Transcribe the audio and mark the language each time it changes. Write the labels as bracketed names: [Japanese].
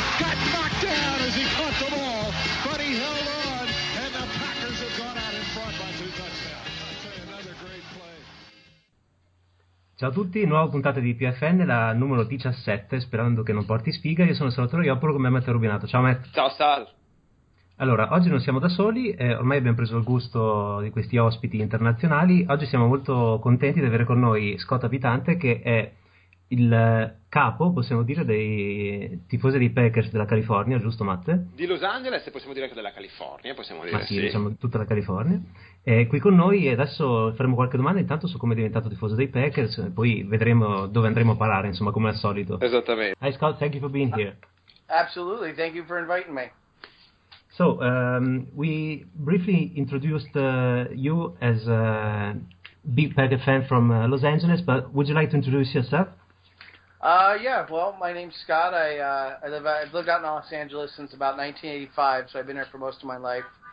[English] Got knocked down as he caught the ball, but he held on, and the Packers have gone out in front by two touchdowns. I'll tell you, another great play. [Italian] Ciao a tutti, nuova puntata di PFN, la numero 17, sperando che non porti sfiga. Io sono il Salvatore Ioppolo, con me Matteo Rubinato. Ciao Matt. Ciao Sal. Allora, oggi non siamo da soli, ormai abbiamo preso il gusto di questi ospiti internazionali. Oggi siamo molto contenti di avere con noi Scott Abitante, che è il capo, possiamo dire, dei tifosi dei Packers della California, giusto Matte? Di Los Angeles, possiamo dire anche della California, possiamo dire. Ma sì, diciamo tutta la California. È qui con noi e adesso faremo qualche domanda intanto su come è diventato tifoso dei Packers, e poi vedremo dove andremo a parare, insomma, come al solito. Esattamente. [English] Hi Scott, thank you for being here. Absolutely, thank you for inviting me. So we briefly introduced you as a big Packer fan from Los Angeles, but would you like to introduce yourself? Well, my name's Scott. I've lived out in Los Angeles since about 1985, so I've been here for most of my life.